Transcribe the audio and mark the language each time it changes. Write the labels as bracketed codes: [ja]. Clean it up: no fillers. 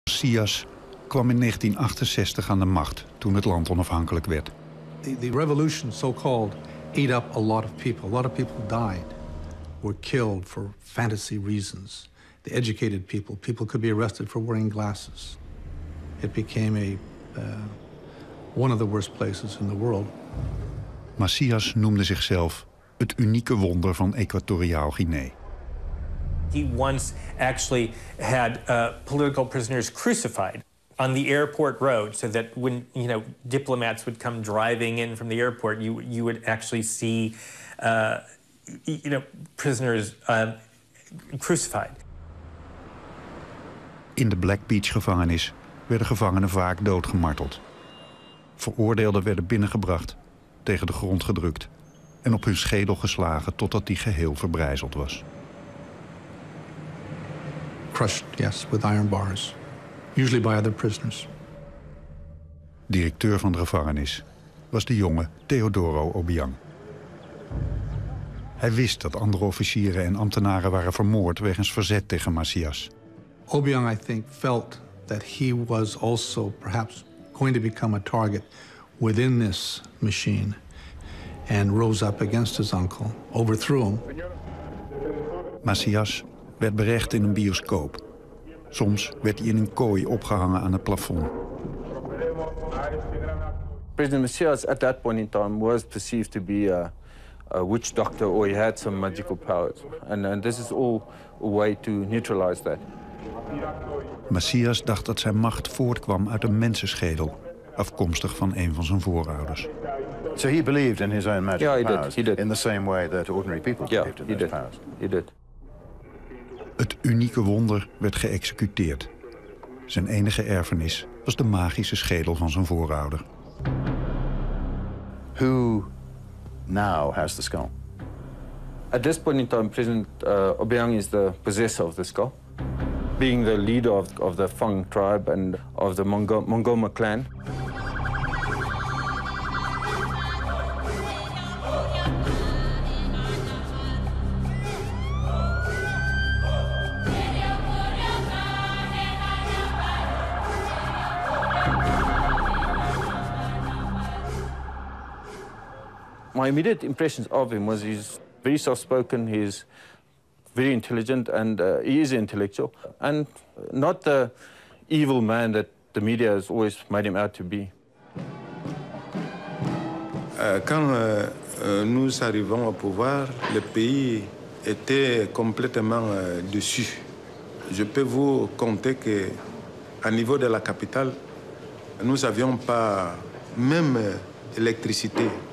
[nl] Sias kwam in 1968 aan de macht toen het land onafhankelijk werd. [en] The revolution, so-called, ate up a lot of people. A lot of people died, were killed for fantasy reasons. The educated people, people could be arrested for wearing glasses. It became a one of the worst places in the world. [nl] Sias noemde zichzelf het unieke wonder van Equatoriaal Guinea. [en] He once actually had political prisoners crucified on the airport road, so that when, you know, diplomats would come driving in from the airport, you would actually see prisoners crucified. [nl] In de Black Beach gevangenis werden gevangenen vaak doodgemarteld. Veroordeelden werden binnengebracht, tegen de grond gedrukt en op hun schedel geslagen totdat die geheel verbrijzeld was. [en] Crushed, yes, with iron bars. Usually by other prisoners. [nl] Directeur van de gevangenis was de jonge Teodoro Obiang. Hij wist dat andere officieren en ambtenaren waren vermoord wegens verzet tegen Macias. [en] Obiang, I think, felt that he was also perhaps going to become a target within this machine, and rose up against his uncle, overthrew him. [nl] Macias werd berecht in een bioscoop. Soms werd hij in een kooi opgehangen aan het plafond. [en] President Macias at that point in time was perceived to be a witch doctor, or he had some magical powers. And this is all a way to neutralize that. [nl] Macias dacht dat zijn macht voortkwam uit een mensenschedel, afkomstig van een van zijn voorouders. [en] So he believed in his own magic powers. Yeah, he did. In the same way that ordinary people believed in those powers. He did. [nl] Het unieke wonder werd geëxecuteerd. Zijn enige erfenis was de magische schedel van zijn voorouder. [en] Who now has the skull? At this point in time, President Obiang is the possessor of the skull, being the leader of the Fung tribe and of the Mongoma clan. My immediate impressions of him was he's very soft-spoken, he's very intelligent, and he is intellectual, and not the evil man that the media has always made him out to be. [fr] Quand nous arrivons au pouvoir, le pays était complètement dessus. Je peux vous compter que, à niveau de la capitale, nous n'avions pas même électricité.